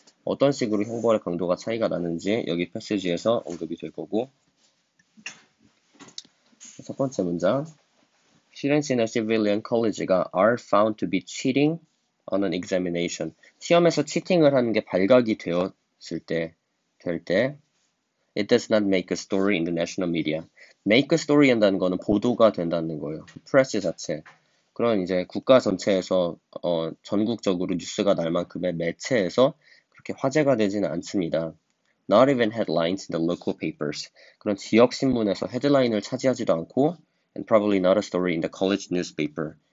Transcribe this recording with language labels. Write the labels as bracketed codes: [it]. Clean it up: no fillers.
[ko] 어떤 식으로 형벌의 강도가 차이가 나는지 여기 패시지에서 언급이 될 거고. 첫 번째 문장. [en] Students in a civilian college가 are found to be cheating on an examination. [ko] 시험에서 치팅을 하는 게 발각이 되었을 때, 될 때. [en] It does not make a story in the national media. Make a story [ko] 한다는 거는 보도가 된다는 거예요. 프레스 자체. 그런 이제 국가 전체에서 전국적으로 뉴스가 날 만큼의 매체에서 그렇게 화제가 되지는 않습니다. [en] Not even headlines in the local papers. [ko] 그런 지역 신문에서 헤드라인을 차지하지도 않고, [en] and probably not a story in the college newspaper.